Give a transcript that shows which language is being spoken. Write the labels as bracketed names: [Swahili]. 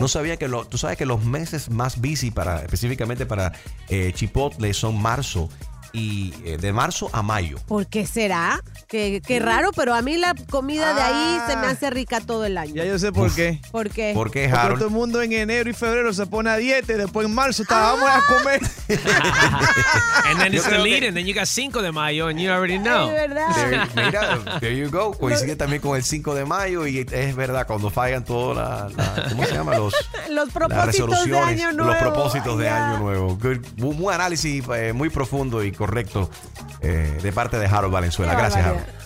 [Spanish] No sabía que tú sabes que los meses más busy para específicamente para Chipotle son marzo. Y de marzo a mayo. ¿Por qué será? Qué raro, pero a mí la comida de ahí se me hace rica todo el año. Ya yo sé por qué. ¿Por qué? Porque es raro. Todo el mundo en enero y febrero se pone a dieta y después en marzo vamos a comer. [English] And then it's the lead, and then you got 5 de mayo, and you already know. [Spanish] Es verdad. [English] There you go. [Spanish] Coincide también con el 5 de mayo, y es verdad, cuando fallan todas ¿cómo se llama? Los propósitos de año nuevo. Los propósitos de año nuevo. Muy análisis, muy profundo y correcto de parte de Harold Valenzuela. Gracias, Harold.